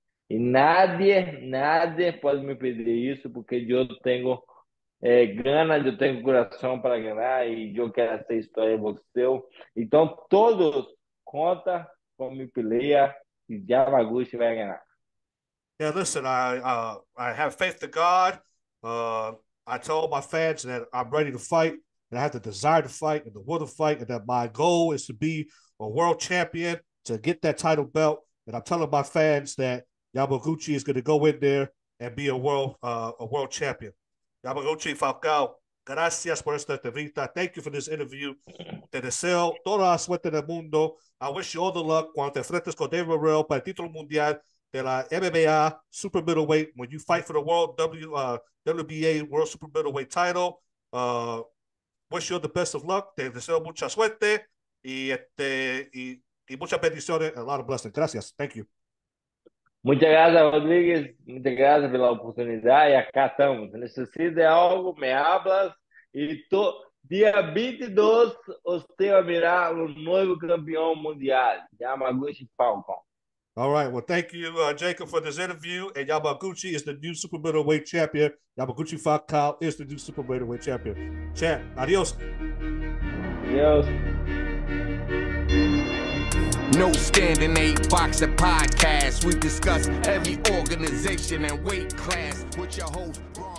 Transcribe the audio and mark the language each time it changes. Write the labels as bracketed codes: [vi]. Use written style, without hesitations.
[pt] E nadie pode me pedir isso, porque eu tenho gana, eu tenho coração para ganhar e eu quero essa história em boxeio. Então, todos contam com minha peleia e Yamaguchi vai ganhar. [en] Yeah, listen, I have faith in God. I tell my fans that I'm ready to fight, and I have the desire to fight and the will to fight, and that my goal is to be a world champion to get that title belt. And I'm telling my fans that Yamaguchi is going to go in there and be a world champion. [es] Yamaguchi, Falcao, gracias por esta entrevista. [en] Thank you for this interview. [es] Te deseo toda la suerte del mundo. [en] I wish you all the luck [es] cuando te enfrentes con David Morrell para el título mundial de la MMA Super Middleweight. [en] When you fight for the world WBA World Super Middleweight title, wish you all the best of luck. [es] Te deseo mucha suerte y muchas bendiciones, [en] a lot of blessings. [es] Gracias. [en] Thank you. [es] Muchas gracias, Rodríguez. Muchas gracias por la oportunidad. Y acá estamos. Si necesitas algo, me hablas. Y tú, día 22, usted va a mirar un nuevo campeón mundial, Yamaguchi Falcao. [en] All right. Well, thank you, Jacob, for this interview. And Yamaguchi is the new super middleweight champion. Yamaguchi Falcao is the new super middleweight champion. Champ, adios. [es] Adios. [en] No standing eight boxer podcast. We discuss every organization and weight class with your host.